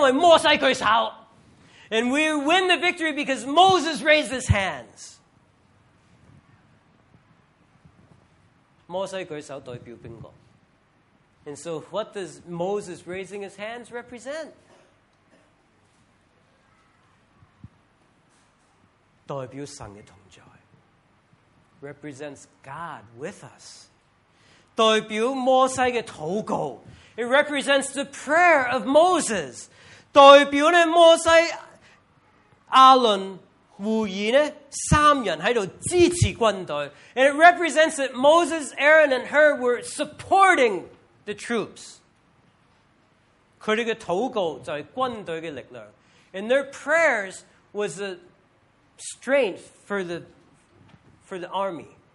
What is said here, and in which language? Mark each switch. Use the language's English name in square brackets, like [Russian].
[Chinese] 我们打赢仗是因为摩西举手。And [English] we win the victory because Moses raised his hands. [Chinese] 摩西举手代表谁? [English] And so what does Moses raising his hands represent? [Chinese] 代表神的同在。 [English] Represents God with us. [Chinese] 代表摩西的祷告. [English] It represents the prayer of Moses. [Chinese] 代表摩西、亚伦、胡尔三人在支持军队. [English] And it represents that Moses, Aaron, and Hur were supporting the troops. [Chinese] 他们的祷告就是军队的力量. [English] And their prayers was a strength for the army.